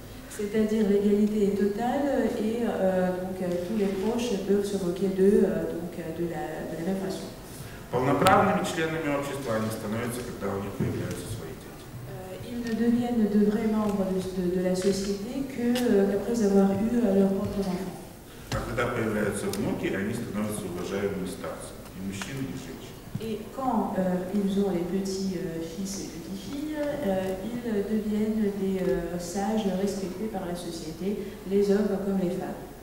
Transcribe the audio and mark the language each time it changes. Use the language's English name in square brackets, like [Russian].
[French] C'est-à-dire l'égalité est totale et tous les proches peuvent se moquer d'eux de la même façon. [Russian] Полноправными членами общества они становятся, когда у них появляются свои дети. [French] Ils ne deviennent de vrais membres de la société qu'après avoir eu leurs propres enfants. [Russian] А когда появляются внуки, они становятся уважаемыми старцами. [French] Et quand ils ont les petits fils et petites filles, ils deviennent des sages respectés par la société, les hommes comme les femmes.